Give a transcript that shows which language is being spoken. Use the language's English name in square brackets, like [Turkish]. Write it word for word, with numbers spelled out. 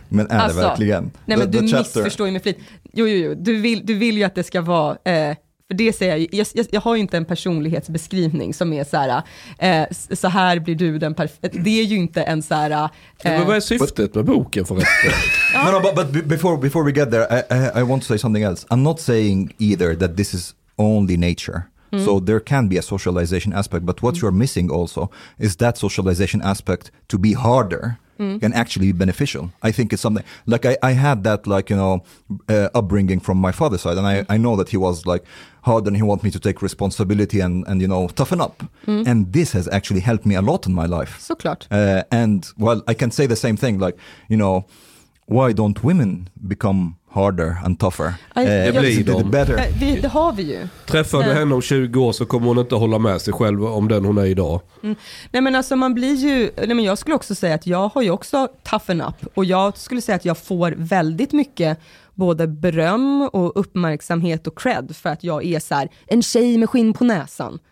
[Swedish] Men är alltså, det verkligen? Nej men the, the du chapter. Missförstår ju med flit. Jo, jo, jo. Du vill, du vill ju att det ska vara... Eh, för det säger jag, jag, jag, jag har ju inte en personlighetsbeskrivning som är så här, eh, så här blir du den perfekta. Det är ju inte en så här... Eh, men vad är syftet med boken förresten? [English] no, no, but, but before, before we get there, I, I, I want to say something else. I'm not saying either that this is only nature. Mm. So there can be a socialization aspect, but what mm. you're missing also is that socialization aspect to be harder mm. can actually be beneficial. I think it's something like I, I had that like, you know, uh, upbringing from my father's side. And I, mm. I know that he was like hard and he wanted me to take responsibility and, and you know, toughen up. Mm. And this has actually helped me a lot in my life. [Swedish] Såklart. [English] Uh, and well, I can say the same thing, like, you know, why don't women become harder and tougher? I, uh, [Swedish] det blir de. [English] Better. [Swedish] Uh, vi, det har vi ju. Träffar du henne om tjugo år så kommer hon inte hålla med sig själv om den hon är idag. Mm. Nej men alltså man blir ju, nej men jag skulle också säga att jag har ju också [English] toughen up [Swedish] och jag skulle säga att jag får väldigt mycket både beröm och uppmärksamhet och cred för att jag är så här en tjej med skinn på näsan.